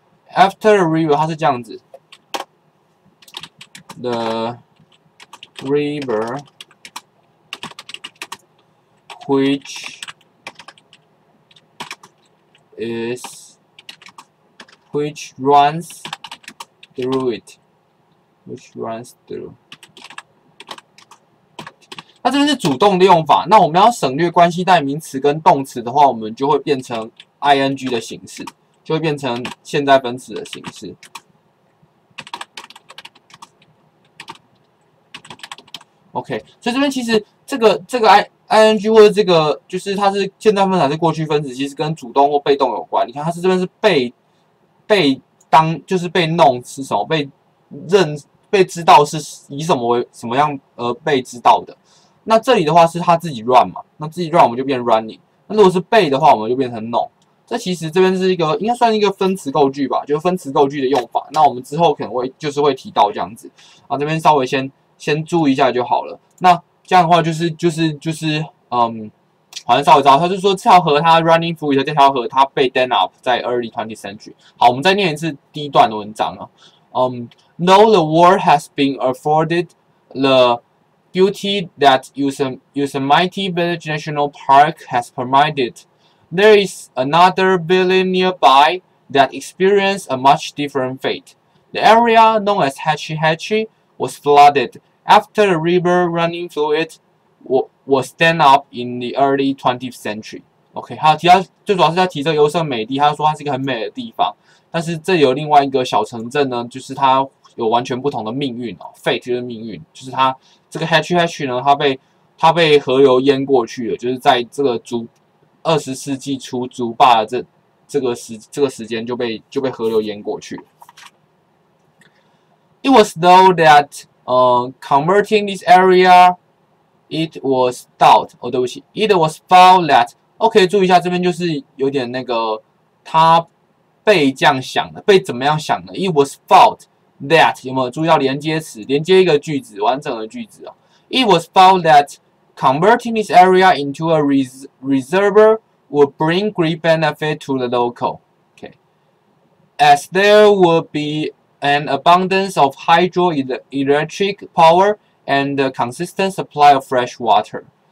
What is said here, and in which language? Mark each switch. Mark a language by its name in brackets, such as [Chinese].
[English] After the river， [Chinese] 它是这样子 [English] ，the river which is which runs through。 [Chinese] 那这边是主动的用法，那我们要省略关系代名词跟动词的话，我们就会变成 ing 的形式，就会变成现在分词的形式。 OK， 所以这边其实这个 ing 或者这个就是它是现在分词还是过去分词，其实跟主动或被动有关。你看它是这边是被当就是被弄是什么被认被知道是以什么为什么样而被知道的。那这里的话是他自己 run 嘛，那自己 run 我们就变 running， 那如果是 被 的话我们就变成 known， 这其实这边是一个应该算一个分词构句吧，就是分词构句的用法，那我们之后可能会就是会提到这样子啊，这边稍微先注意一下就好了。那这样的话就是好像稍微知道，他就说这条河他 [English] running through， [Chinese] 这条河他被 [English] dammed up [Chinese] 在 [English] early 20th century。 [Chinese] 好，我们再念一次第一段的文章啊。 [English] Though the world has been afforded thebeauty that Yosemite Village National Park has permitted, there is another village nearby that experienced a much different fate. The area known as Hetchy Hetchy was flooded after the river running through it was dammed up in the early 20th century. [Chinese] OK， 他提到最主要是在提这个优胜美地，他说它是一个很美的地方，但是这有另外一个小城镇呢，就是它有完全不同的命运哦 ，fate 就是命运，就是它。这个 HHH 呢，它被河流淹过去了，就是在这个20世纪初竹坝的这个时间就被河流淹过去了。 [English] It was though that converting this area, it was thought. [Chinese] 哦，对不起 ， [English] it was found that. [Chinese] OK， 注意一下，这边就是有点那个，它被这样想的，被怎么样想的 ？ [English] It was thought. [Chinese] That 有没有注意到连接词？连接一个句子，完整的句子啊。 [English] It was found that converting this area into a reserve would bring great benefit to the local. Okay, as there would be an abundance of hydroelectric power and a consistent supply of fresh water.